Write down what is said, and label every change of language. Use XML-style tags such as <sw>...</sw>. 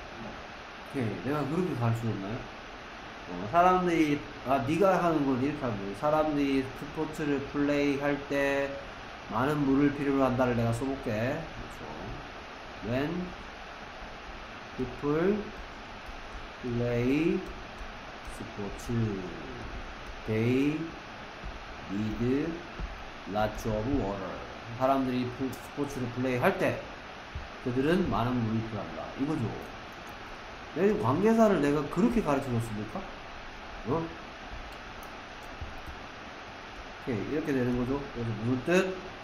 <ko>오케이. 내가 그렇게 가르쳐줬나요? 사람들이 아 네가 하는 건 이렇게 하는 거예요. 사람들이 스포츠를 플레이할 때 많은 물을 필요로 한다를 내가 써볼게. 그렇죠.</ko> <en>When people play sports, they need lots of water.</en> <ko>사람들이 스포츠를 플레이할 때 그들은 많은 물을 필요한다. 이거죠. 내가 관계사를 내가 그렇게 가르쳐줬습니까? 어? 오케이. 이렇게 되는 거죠. 그래서 무슨 뜻?</ko>